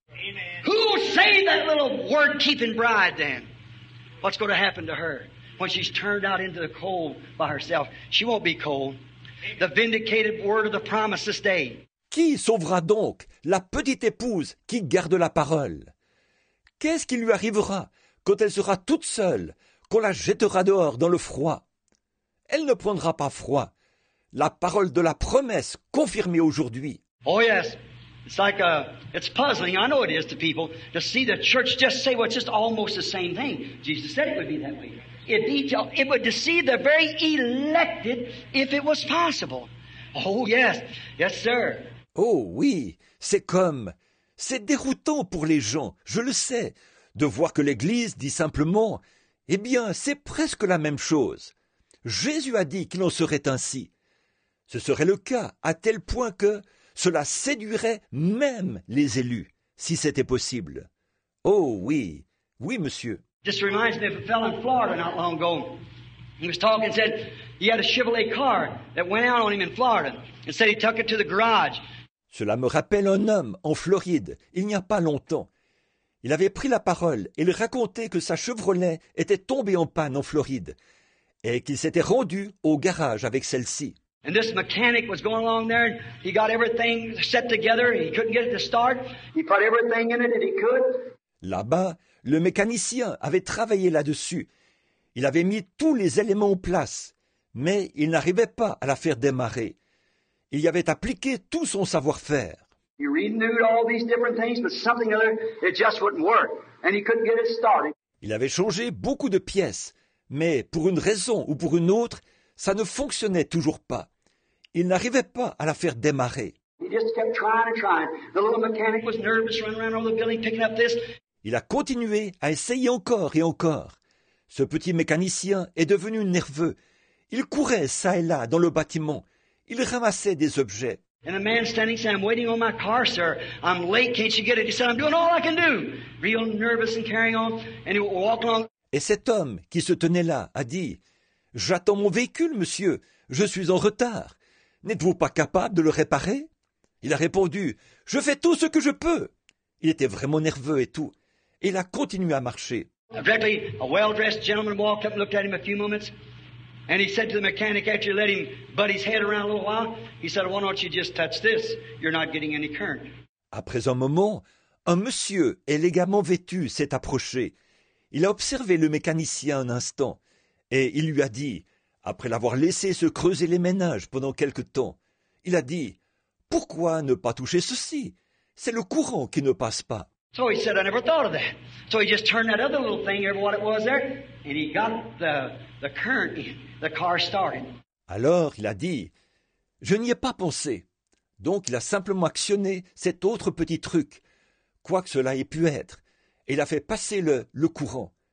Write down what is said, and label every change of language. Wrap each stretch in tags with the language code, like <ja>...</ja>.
<en>Amen. Who will save that little word-keeping bride then? What's going to happen to her when she's turned out into the cold by herself? She won't be cold. The vindicated word of the promise this day.</en> <fr>Qui sauvera donc la petite épouse qui garde la parole? Qu'est-ce qui lui arrivera quand elle sera toute seule, qu'on la jettera dehors dans le froid? Elle ne prendra pas froid. La parole de la promesse confirmée aujourd'hui.</fr> <en>Oh yes, it's like a, it's puzzling, I know it is to people, to see the church just say what's just almost the same thing. Jesus said it would be that way. It would deceive the very elected if it was possible. Oh yes, yes sir.</en> <fr>Oh oui, c'est déroutant pour les gens, je le sais, de voir que l'Église dit simplement, eh bien, c'est presque la même chose. Jésus a dit qu'il en serait ainsi. Ce serait le cas à tel point que cela séduirait même les élus, si c'était possible. Oh oui, oui monsieur.</fr> <en>This reminds me of a fellow in Florida not long ago. He was talking and said he had a Chevrolet car that went out on him in Florida and said he took it to the garage.</en> <fr>Cela me rappelle un homme en Floride, il n'y a pas longtemps. Il avait pris la parole et il racontait que sa Chevrolet était tombée en panne en Floride et qu'il s'était rendu au garage avec celle-ci.</fr> <en>And this mechanic was going along there and he got everything set together and he couldn't get it to start. He put everything in it that he could.</en> <fr>Là-bas, le mécanicien avait travaillé là-dessus. Il avait mis tous les éléments en place, mais il n'arrivait pas à la faire démarrer. Il y avait appliqué tout son savoir-faire.</fr> <en>He renewed all these different things, but something other, it just wouldn't work. And he couldn't get it started.</en> <fr>Il avait changé beaucoup de pièces, mais pour une raison ou pour une autre, ça ne fonctionnait toujours pas. Il n'arrivait pas à la faire démarrer.</fr> <en>He just kept trying and trying. The little mechanic was nervous, running around all the building, picking up this.</en> <fr>Il a continué à essayer encore et encore. Ce petit mécanicien est devenu nerveux. Il courait ça et là dans le bâtiment. Il ramassait des objets.</fr> <en>And a man standing said, I'm waiting on my car, sir. I'm late, can't you get it? He said, I'm doing all I can do. Real nervous and carrying on. And he walked along.</en> <fr>Et cet homme qui se tenait là a dit, j'attends mon véhicule, monsieur. Je suis en retard. N'êtes-vous pas capable de le réparer? Il a répondu, je fais tout ce que je peux. Il était vraiment nerveux et tout. Et il a continué à marcher.</fr> <en>Directly, a well-dressed gentleman walked up and looked at him a few moments. And he said to the mechanic, after you let him butt his head around a little while, he said, why don't you just touch this? You're not getting any current.</en> <fr>Après un moment, un monsieur élégamment vêtu s'est approché. Il a observé le mécanicien un instant. Et il lui a dit, après l'avoir laissé se creuser les ménages pendant quelque temps, il a dit, pourquoi ne pas toucher ceci? C'est le courant qui ne passe pas.</fr> <en>So he said, I never thought of that. So he just turned that other little thing, what it was there, and he got the current in. The car started.</en> <fr>Alors il a dit, je n'y ai pas pensé. Donc il a simplement actionné cet autre petit truc, quoi que cela ait pu être, et il a fait passer le courant.</fr>